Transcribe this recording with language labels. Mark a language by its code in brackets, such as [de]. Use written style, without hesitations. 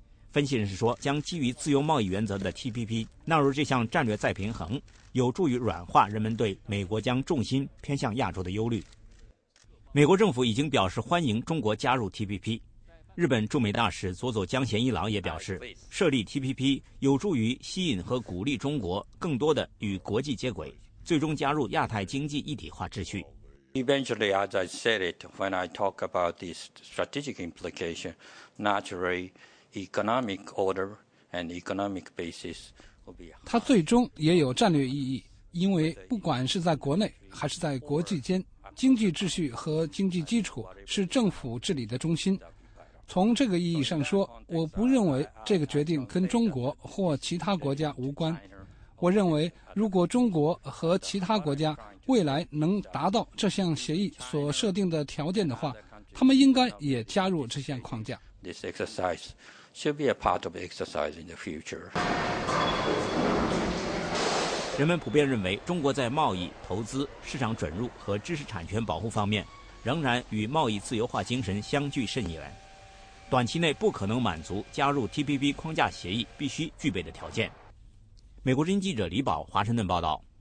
[zh] 分析人士说，将基于自由贸易原则的 TPP 纳入这项战略再平衡，有助于软化人们对美国将重心偏向亚洲的忧虑。美国政府已经表示欢迎中国加入 TPP，日本驻美大使佐佐江贤一郎也表示，设立 TPP 有助于吸引和鼓励中国更多的与国际接轨，最终加入亚太经济一体化秩序。 [en] Eventually, as I said it, when I talk about this strategic implication, naturally, economic order and economic basis will be. [zh] 它最终也有战略意义，因为不管是在国内还是在国际间，经济秩序和经济基础是政府治理的中心。从这个意义上说，我不认为这个决定跟中国或其他国家无关。我认为，如果中国和其他国家未来能达到这项协议所设定的条件的话，他们应该也加入这项框架。 [en] This exercise should be a part of exercise in the future. [zh] 人们普遍认为，中国在贸易、投资、市场准入和知识产权保护方面，仍然与贸易自由化精神相距甚远。短期内不可能满足加入 TPP 框架协议必须具备的条件。美国之音记者李宝华盛顿报道。